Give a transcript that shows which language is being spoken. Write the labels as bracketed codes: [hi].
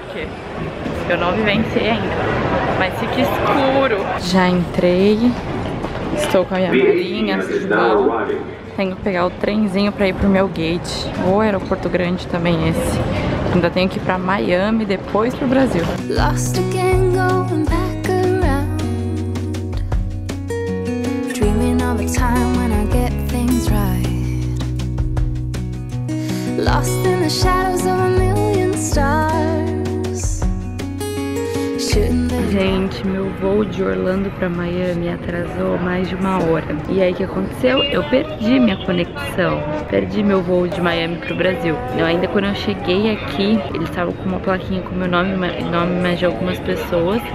[pt] Porque eu não vivenciei ainda. Mas fica escuro. Já entrei. Estou com a minha malinha. Tenho que pegar o trenzinho pra ir pro meu gate. O aeroporto grande também esse. Ainda tenho que ir pra Miami, depois pro Brasil. [en] Lost again, going back around. Dreaming of a time when I get things right. Lost in the shadows of a million stars. [pt] Gente, meu voo de Orlando pra Miami atrasou mais de uma hora. E aí o que aconteceu? Eu perdi minha conexão. Perdi meu voo de Miami pro Brasil. Então, ainda quando eu cheguei aqui, eles estavam com uma plaquinha com meu nome e nome mais de algumas pessoas.